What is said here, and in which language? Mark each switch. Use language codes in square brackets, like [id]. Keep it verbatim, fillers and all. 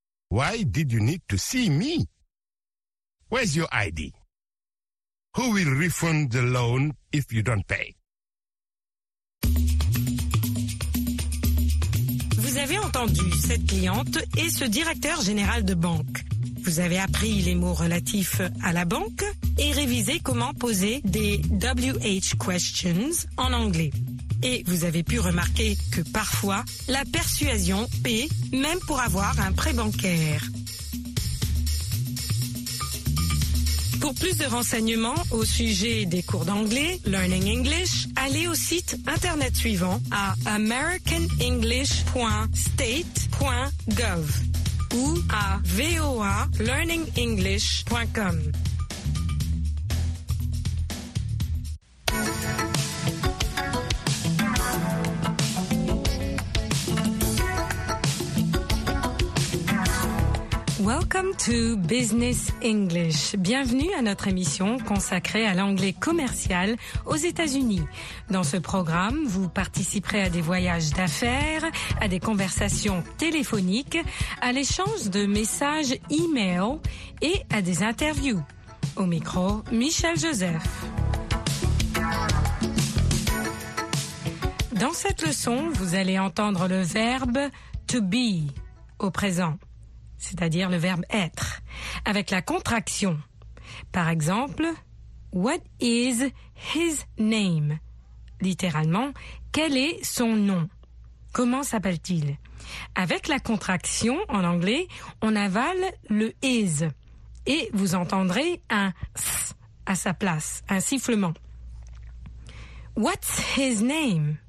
[en] Why did you need to see me? Where's your I D? Who will refund the loan if you don't pay? [fr] Vous avez entendu cette cliente et ce directeur général de banque. Vous avez appris les mots relatifs à la banque et révisé comment poser des W H questions en anglais. Et vous avez pu remarquer que parfois, la persuasion paie même pour avoir un prêt bancaire. Pour plus de renseignements au sujet des cours d'anglais, Learning English, allez au site internet suivant à american english dot state dot gov ou à v o a learning english dot com. [en] Welcome to Business English. [fr] Bienvenue à notre émission consacrée à l'anglais commercial aux États-Unis. Dans ce programme, vous participerez à des voyages d'affaires, à des conversations téléphoniques, à l'échange de messages e-mail et à des interviews. Au micro, Michel Joseph. Dans cette leçon, vous allez entendre le verbe to be au présent, c'est-à-dire le verbe être, avec la contraction. Par exemple, [en] what is his name? [fr] Littéralement, quel est son nom? Comment s'appelle-t-il? Avec la contraction, en anglais, on avale le is et vous entendrez un s à sa place, un sifflement. [en] What's his name?